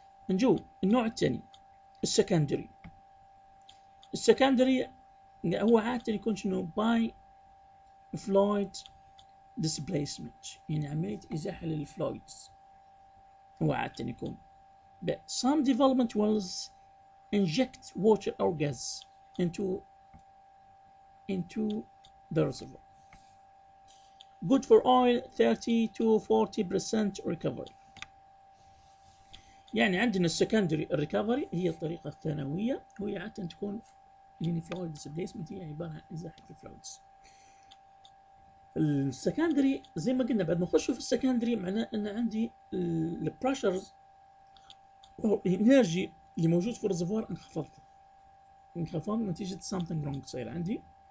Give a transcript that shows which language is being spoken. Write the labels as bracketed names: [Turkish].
[Arabic] نجو النوع الثاني السكندري. السكندري هو عاده يكون شنو [English] by fluid displacement, [Arabic] يعني عمليه ازاحه للفلويدز هو عاده يكون. [English] But some development wells inject water or gas into the reservoir. Good for oil 30 to 40% recovery. [Arabic] يعني عندنا secondary recovery هي الطريقة الثانوية، وهي عادة تكون يعني fluid displacement، هي عبارة عن إزاحة الفلويدز. السكندري زي ما قلنا بعد ما نخشوا في السكندري معناه ان عندي البريشرز او الانرجي اللي موجود في الريزرفوار انخفض نتيجه [English] something wrong [Arabic] صاير عندي.